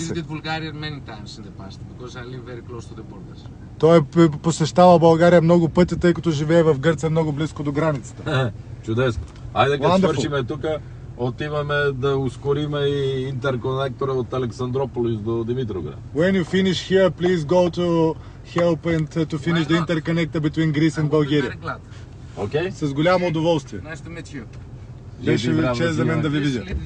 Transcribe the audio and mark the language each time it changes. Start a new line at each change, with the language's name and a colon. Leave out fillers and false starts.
English: се. I visited Bulgaria many times in the past because I live very close to the borders.
Bulgarian: Той е посещавал България много пъти, тъй като живее в Гърция много близко до границата. Чудесно. Айде като свършим тук, отиваме да ускориме и интерконектора от Александрополис до Димитровград.
English: When you finish here, please go to help and to finish the interconnector between Greece and Bulgaria. Okay.
Bulgarian: С голямо удоволствие.
English: Nice to meet you.
Bulgarian: Беше ви чест за мен да ви видя.